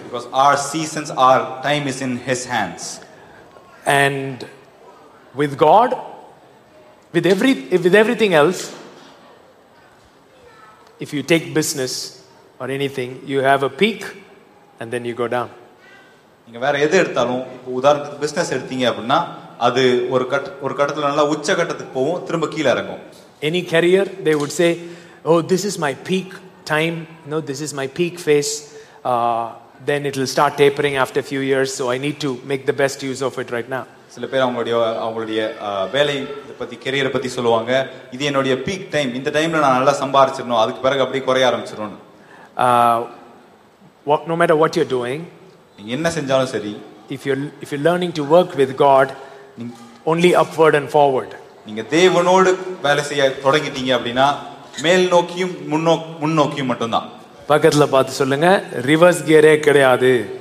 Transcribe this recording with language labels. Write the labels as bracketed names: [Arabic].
[English] Because our seasons, our time is in his hands. And with God, with everything else, if you take business or anything, you have a peak and then you go down. [Tamil] நீங்க வேற எது எடுத்தாலும், இப்ப உதாரணத்துக்கு business எடுத்தீங்க அப்படினா, அது ஒரு கட்டத்துல நல்லா உச்ச கட்டத்துக்கு போவும், திரும்ப கீழ இறங்கும். [English] Any career, they would say, oh, this is my peak time, no, this is my peak phase, then it will start tapering after a few years, so I need to make the best use of it right now. [Tamil] சில பேர் அவங்களுடைய வேலை பத்தி, கெரியரை பத்தி சொல்லுவாங்க, இது என்னுடைய peak time, இந்த டைம்ல நான் நல்லா சம்பாதிச்சிடணும், அதுக்கு பிறகு அப்படி குறைய ஆரம்பிச்சிடும். [English] No matter what you're doing, [Tamil] நீங்க என்ன செஞ்சாலும் சரி, [English] if you're learning to work with God, only upward and forward. [Tamil] நீங்க தேவனோடு வேலை செய்ய தொடங்கிட்டீங்க அப்படின்னா, மேல் நோக்கியும் முன்னோக்கியும் மட்டும்தான். பக்கத்துல பார்த்து சொல்லுங்க, ரிவர்ஸ் கியரே கிடையாது.